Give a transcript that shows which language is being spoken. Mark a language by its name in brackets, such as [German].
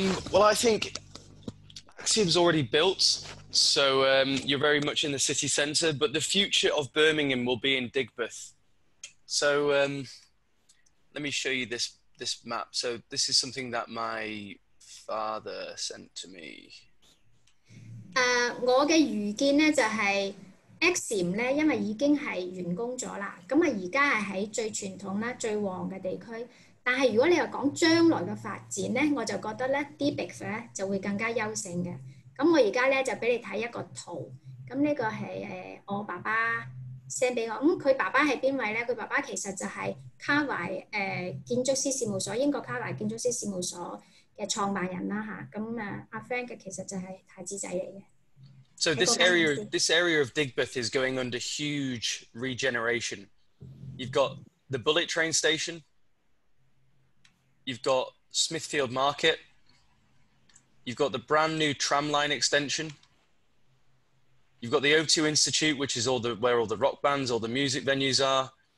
[English] Well, I think Exim's already built, so you're very much in the city centre. But the future of Birmingham will be in Digbeth. So let me show you this map. So this is something that my father sent to me. [Cantonese] 我嘅預見咧就係 Exim 咧，因為已經係完工咗啦。咁啊，而家係喺最傳統啦、最旺嘅地區。但係如果你又講將來嘅發展咧，我就覺得咧 Digbeth 咧就會更加優勝嘅。咁我而家咧就俾你睇一個圖。咁呢個係我爸爸 send 俾我。咁佢爸爸係邊位咧？佢爸爸其實就係卡懷建築師事務所，英國卡懷建築師事務所。創辦人啦嚇，咁阿 Frank 其實就係太子仔嚟嘅。 [English] So this area of Digbeth is going under huge regeneration. You've got the bullet train station. You've got Smithfield Market. You've got the brand new tram line extension. You've got the O2 Institute, which is where all the rock bands, all the music venues are.